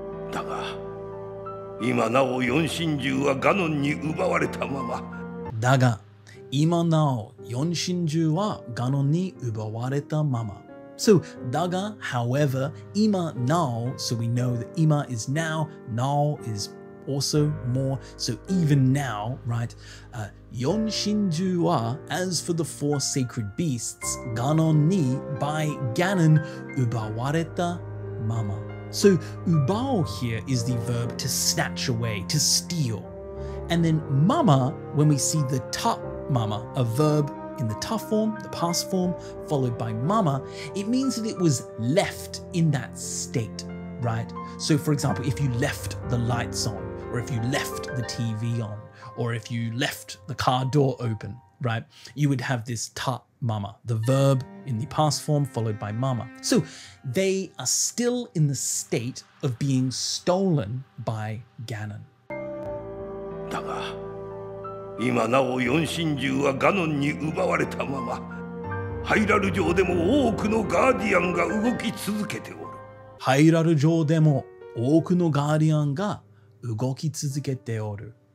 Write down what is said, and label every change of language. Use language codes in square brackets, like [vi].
[ja] だが、今なお四神獣はガノンに奪われたまま。だが、今なお四神獣はガノンに奪われたまま。 [en] So, daga, however, [ja] 今なお、 [en] so we know that 今 is now, now is also more, so even now, right? [ja] Yon Shinju wa, [en] as for the four sacred beasts, [ja] Ganon ni, [en] by Ganon, [ja] ubawareta mama. [en] So, ubao here is the verb to snatch away, to steal. And then mama, when we see the ta mama, a verb in the ta form, the past form, followed by mama, it means that it was left in that state, right? So, for example, if you left the lights on, or if you left the TV on, or if you left the car door open, right? You would have this ta mama, the verb in the past form followed by mama. So they are still in the state of being stolen by Ganon. [ja] だが、今なお四神獣はガノンに奪われたまま、ハイラル城でも多くのガーディアンが動き続けておる。ハイラル城でも多くのガーディアンが動き続けておる。